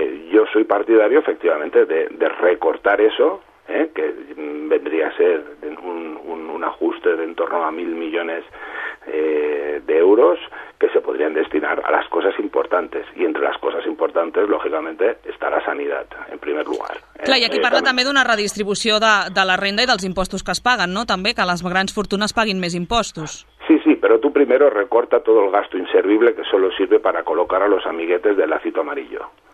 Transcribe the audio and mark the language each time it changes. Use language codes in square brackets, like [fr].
[es] Yo soy partidario, efectivamente, de recortar eso, que vendría a ser un ajuste de en torno a 1.000 millones de euros, que se podrían destinar a las cosas importantes. Y entre las cosas importantes, lógicamente, está la sanidad, en primer lugar. [ca] Clar, i aquí parla també d'una redistribució de la renda i dels impostos que es paguen, no? També que les grans fortunes paguin més impostos. [es] Sí, pero tú primero recorta todo el gasto inservible que solo sirve para colocar a los amiguetes del lacito amarillo.